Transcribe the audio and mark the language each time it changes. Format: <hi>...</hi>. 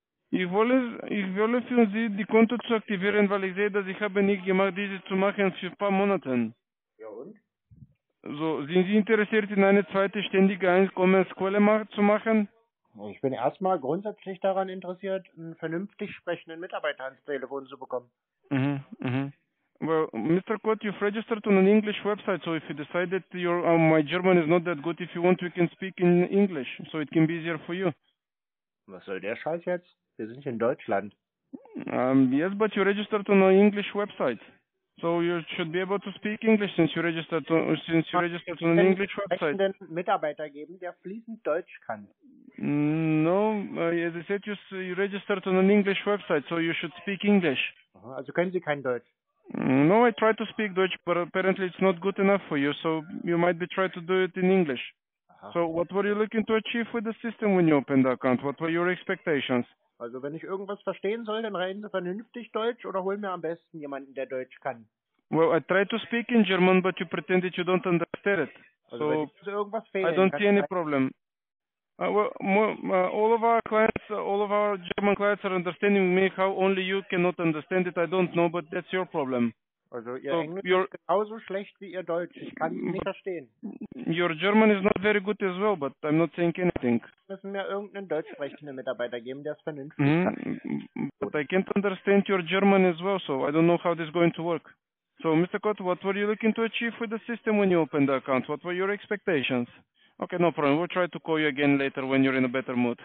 <de>Ich wolle für Sie die Konto zu aktivieren, weil ich sehe, dass ich habe nicht gemacht, diese zu machen für ein paar Monate. Ja und? So, sind Sie interessiert, in eine zweite ständige Einkommensquelle zu machen? Ich bin erstmal grundsätzlich daran interessiert, einen vernünftig sprechenden Mitarbeiter ans Telefon zu bekommen.</de> <en>Well, Mr. Kott, you've registered on an English website, so if you decide that my German is not that good, if you want, we can speak in English, so it can be easier for you.</en> <de>Was soll der Scheiß jetzt? Wir sind in Deutschland.</de> <en>Yes, but you registered on an English website. So you should be able to speak English since you registered on an English website.</en> <de>Kann ich einen Mitarbeiter geben, der fließend Deutsch kann?</de> <en>No, as I said, you registered on an English website, so you should speak English.</en> <de>Also können Sie kein Deutsch?</de> <en>No, I try to speak Deutsch, but apparently it's not good enough for you, so you might be trying to do it in English. Aha. So what were you looking to achieve with the system when you opened the account? What were your expectations?</en> <de>Also wenn ich irgendwas verstehen soll, dann reden Sie vernünftig Deutsch oder holen mir am besten jemanden, der Deutsch kann.</de> <en>Well, I try to speak in German, but you pretend that you don't understand it.</en> <de>Also so irgendwas fehlen,</de> <en>I don't see any problem. All of our German clients are understanding me, how only you cannot understand it, I don't know, but that's your problem.</en> <de>Also Ihr so Englisch ist genauso schlecht wie Ihr Deutsch, ich kann es nicht verstehen.</de> <en>Your German is not very good as well, but I'm not saying anything.</en> <de>Wir müssen mir irgendeinen deutsch sprechenden Mitarbeiter geben, der es vernünftig</de> <en>But I can't understand your German as well, so I don't know how this is going to work. So, Mr. Kott, what were you looking to achieve with the system when you opened the account? What were your expectations? Okay, no problem. We'll try to call you again later when you're in a better mood.</en>